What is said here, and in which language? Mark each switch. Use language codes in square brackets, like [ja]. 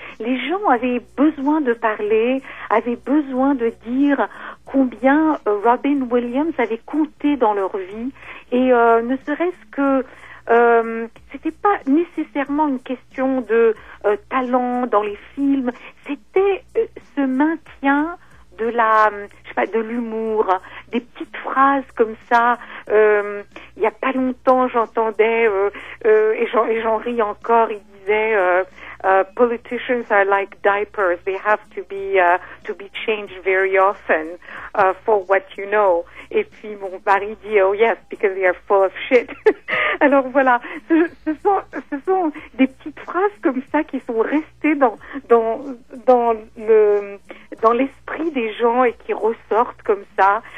[fr] Les gens avaient besoin de parler, avaient besoin de dire combien Robin Williams avait compté dans leur vie. Et ne serait-ce que c'était pas nécessairement une question de talent dans les films, c'était ce maintien de de l'humour, des petites phrases comme ça. Il y a pas longtemps, j'entendais et j'en ris encore, il disait [en] politicians are like diapers, they have to be changed very often for what you know. [fr] Et puis mon mari dit [en] oh yes, because they are full of shit. [fr] Alors voilà, ce sont des petites phrases comme ça qui sont restées dans l'esprit des gens et qui ressortent comme ça.